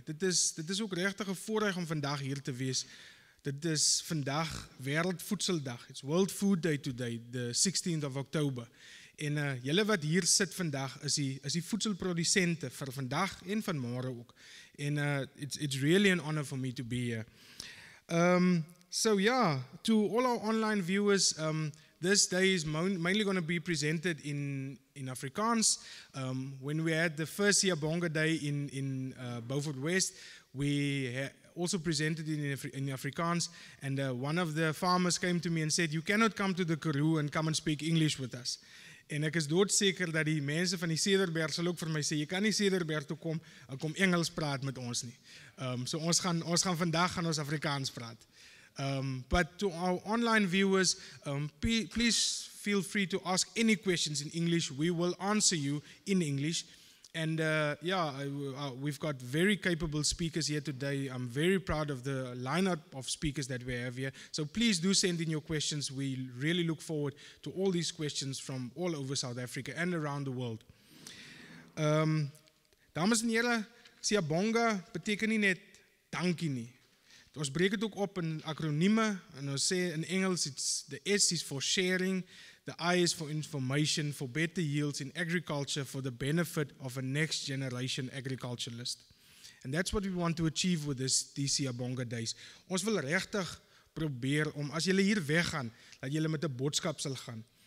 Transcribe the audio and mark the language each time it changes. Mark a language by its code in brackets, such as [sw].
[af] Dit is ook regtig 'n voorreg om vandag hier te wees. Dit is vandag Wêreldvoedseldag. [en] It's World Food Day today, the 16th of October. [af] En julle wat hier sit vandag is die voedselprodusente vir vandag en vanmôre ook. [en] En it's really an honor for me to be here. To all our online viewers, this day is mainly going to be presented in Afrikaans. When we had the first Siyabonga Day in Beaufort West, we also presented in Afrikaans, and one of the farmers came to me and said, you cannot come to the Karoo and come and speak English with us. [af] En ek is doodseker dat die mense van die Cederberg sal ook vir my sê, jy kan nie Cederberg toe kom, en kom Engels praat met ons nie. So ons gaan vandag Afrikaans praat. [en] But to our online viewers, please feel free to ask any questions in English. We will answer you in English. And we've got very capable speakers here today. I'm very proud of the lineup of speakers that we have here. So please do send in your questions. We really look forward to all these questions from all over South Africa and around the world. [af] Dames en heren, Siyabonga beteken nie net dankie nie. Ons breek het ook op in akronieme, en ons sê in Engels, [en] the S is for sharing, the I is for information, for better yields in agriculture, for the benefit of a next generation agriculturalist. And that's what we want to achieve with these Siyabonga Days. [af] Ons wil regtig probeer om, as julle hier weggaan, dat julle met 'n boodskap sal gaan.